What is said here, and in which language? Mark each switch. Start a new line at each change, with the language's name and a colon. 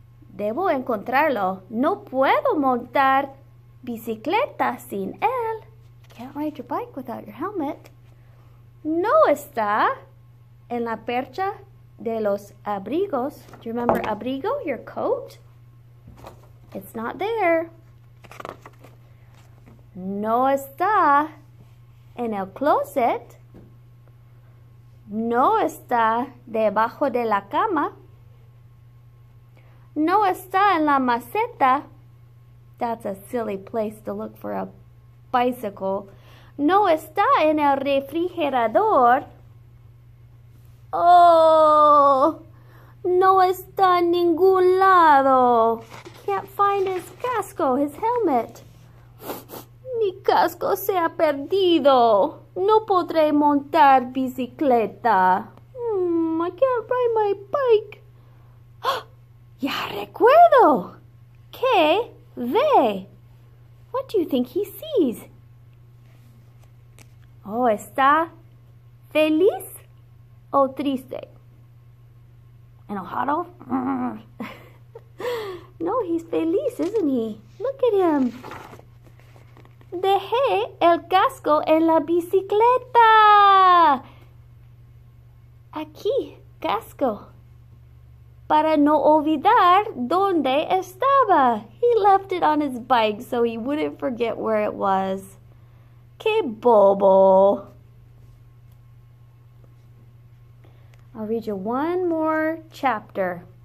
Spanish: Debo encontrarlo. No puedo montar bicicleta sin él.
English: Can't ride your bike without your helmet.
Spanish: No está en la percha de los abrigos.
English: Do you remember abrigo, your coat? It's not there.
Spanish: No está en el closet. No está debajo de la cama. No está en la maceta.
English: That's a silly place to look for a bicycle.
Spanish: No está en el refrigerador. Oh, no está en ningún lado.
English: Can't find his casco, his helmet.
Spanish: Mi casco se ha perdido. No podré montar bicicleta.
English: I can't ride my bike.
Spanish: Ya recuerdo. ¿Qué ve?
English: What do you think he sees?
Spanish: Oh, está feliz. Oh, triste. Enojado.
English: No, he's feliz, isn't he? Look at him.
Spanish: Dejé el casco en la bicicleta. Aquí, casco. Para no olvidar dónde estaba.
English: He left it on his bike so he wouldn't forget where it was.
Spanish: Qué bobo.
English: I'll read you one more chapter.